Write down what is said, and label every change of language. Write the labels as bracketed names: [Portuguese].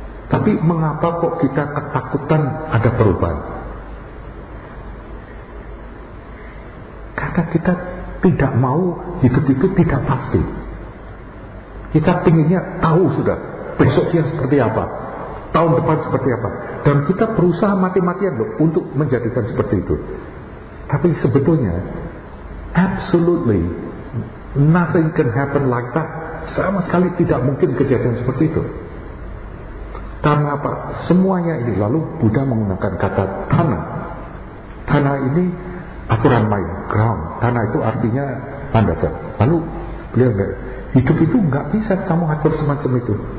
[Indonesian] Tapi mengapa kok kita ketakutan ada perubahan? Karena kita tidak mau hidup-hidup tidak pasti. Kita pinginnya tahu sudah besoknya seperti apa, tahun depan seperti apa. Dan kita berusaha mati-matian loh untuk menjadikan seperti itu. [English] Tapi sebetulnya absolutely nothing can happen like that. [Indonesian] Sama sekali tidak mungkin kejadian seperti itu. Karena apa? Semuanya ini. Lalu Buddha menggunakan kata tanah. Tanah ini aturan main, ground. Tanah itu artinya landasan. Lalu beliau bilang, hidup itu gak bisa kamu atur semacam itu.